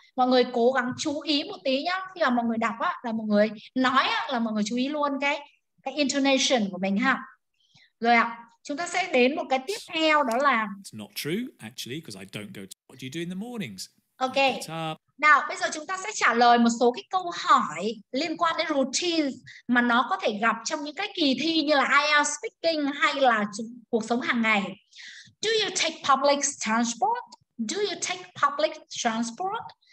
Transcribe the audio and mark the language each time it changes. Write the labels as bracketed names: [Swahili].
[Vietnamese] Mọi người cố gắng chú ý một tí nhá. Khi mà mọi người đọc á, là mọi người nói á, là mọi người chú ý luôn cái intonation của mình ha. Rồi ạ, chúng ta sẽ đến một cái tiếp theo đó là [English] It's not true, actually, because I don't go to... What do you do in the mornings? [Vietnamese] Ok, nào, bây giờ chúng ta sẽ trả lời một số cái câu hỏi liên quan đến routines mà nó có thể gặp trong những cái kỳ thi như là IELTS speaking hay là cuộc sống hàng ngày. [English] Do you take public transport? Do you take public transport?